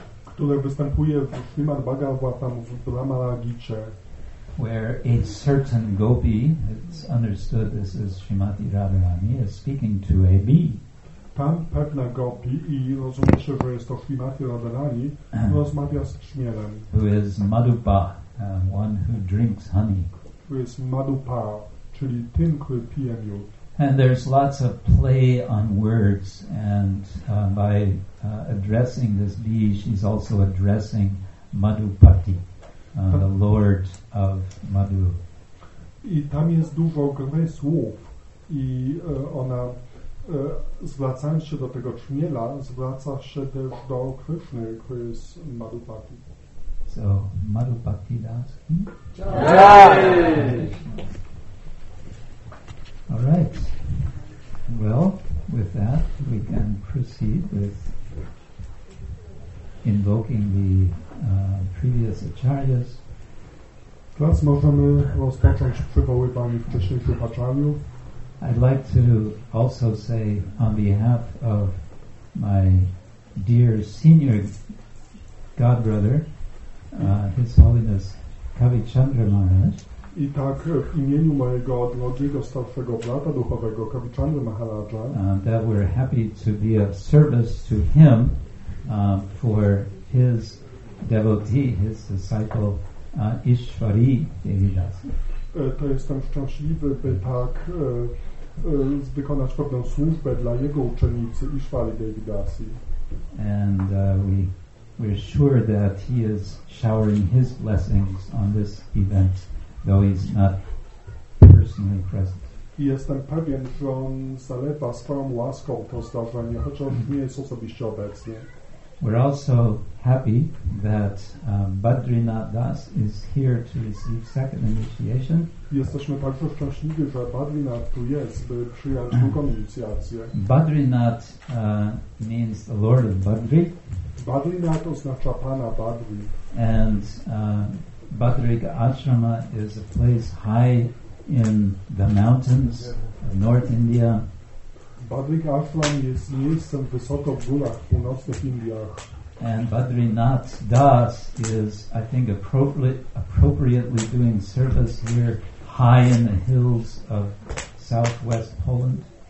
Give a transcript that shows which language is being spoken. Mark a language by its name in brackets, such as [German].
[Polish] które występuje w Srimad Bhagavatam w Brahmara Gicie, [English] where a certain gopi, it's understood this is Srimati Radharani, is speaking to a bee. [Polish] Tam pewna gopi, i rozumie się, że jest to Srimati Radharani, rozmawia z śmielem. [English] Who is Madhupa, one who drinks honey. Who is Madhupa. [Polish] Czyli tym, który pije miód. [English] And there's lots of play on words, and by addressing this bee, she's also addressing Madhupati, the Lord of Madhu. [Polish] I tam jest dużo gry słów, i ona zwracając się do tego czmiela, zwraca się też do Krishny, który jest Madhupati. [English] So, Madhupati das. Jai! All right. Well, with that, we can proceed with invoking the previous acharyas. [Polish] Teraz możemy rozpocząć przywoływanie wcześniejszych acharyów. [English] I'd like to also say, on behalf of my dear senior godbrother, His Holiness Kavichandra Maharaj. [Polish] I tak w imieniu mojego drogiego starszego brata duchowego Kavichandra Maharaja [English] that we're happy to be of service to him for his devotee, his disciple Ishwari Devidas. [Polish] To jestem szczęśliwy, by tak wykonać pewną służbę dla jego uczennicy Ishwari Devidasi. [English] And we're sure that he is showering his blessings on this event, though he's not personally present. [Polish] Jestem pewien, że on zalewa swoją łaską to zdarzenie, chociaż nie jest osobiście obecnie. [English] We're also happy that Badrinath Das is here to receive second initiation. [Polish] Jesteśmy bardzo szczęśliwi, że Badrinath tu jest, by przyjąć drugą inicjację. [English] Badrinath means the Lord of Badri. [Polish] Badrinath oznacza Pana Badri. [English] And Badrika Ashrama is a place high in the mountains of North India. [Polish] Badrika Ashram jest miejscem wysoko w górach w północnych Indiach. [English] And Badrinath Das is, I think, appropriately doing service here high in the hills of southwest Poland.